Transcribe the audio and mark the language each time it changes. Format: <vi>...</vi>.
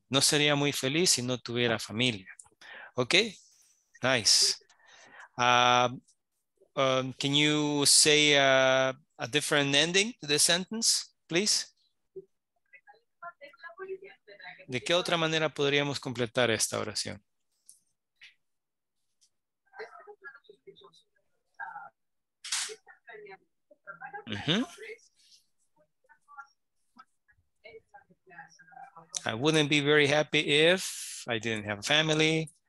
<es>No sería muy feliz si no tuviera familia.</es> <en>Okay, nice. Can you say a different ending to the sentence, please?</en> <es>¿De qué otra manera podríamos completar esta oración?</es> <en>Mm-hmm. I wouldn't be very happy if I didn't have a family.</en>